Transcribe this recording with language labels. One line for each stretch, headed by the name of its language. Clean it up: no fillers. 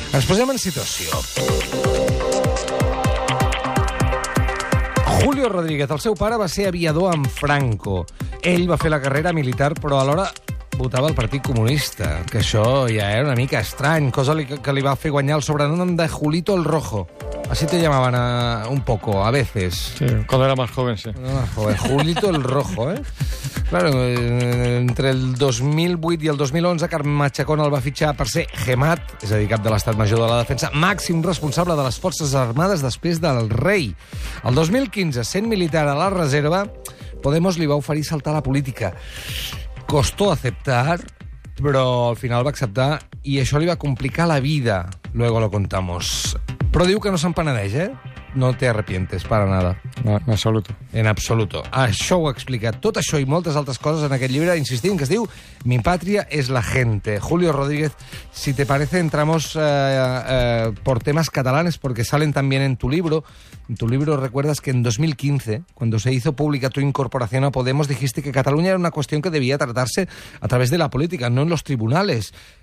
Catalan: Ens posem en situació. Julio Rodríguez, el seu pare va ser aviador amb Franco. Ell va fer la carrera militar, però alhora votava el Partit Comunista, que això ja era una mica estrany, cosa que li va fer guanyar el sobrenom de Julito el Rojo.
Spanish: Así te llamaban a, un poco, a veces. Sí, cuando era más joven, sí. No, más joven. Julito el Rojo, ¿eh?
Catalan: Claro, entre el 2008 i el 2011, Carme Machacón el va fitxar per ser GEMAT, és a dir, cap de l'Estat Major de la Defensa, màxim responsable de les Forces Armades després del rei. El 2015, sent militar a la reserva, Podemos li va oferir saltar la política.
Spanish: Costó aceptar,
Catalan: però al final va acceptar, i això li va complicar la vida.
Spanish: Luego lo contamos.
Catalan: Però diu que no se'n penedeix, eh?
Spanish: No te arrepientes, para nada. No, en absoluto. En absoluto.
Catalan: Això ho explica tot això i moltes altres coses en aquest llibre, insistint, que es diu Mi pàtria és la gente.
Spanish: Julio Rodríguez, si te parece, entramos por temas catalanes, porque salen también en tu libro. En tu libro recuerdas que en 2015, cuando se hizo pública tu incorporación a Podemos, dijiste que Cataluña era una cuestión que debía tratarse a través de la política, no en los tribunales.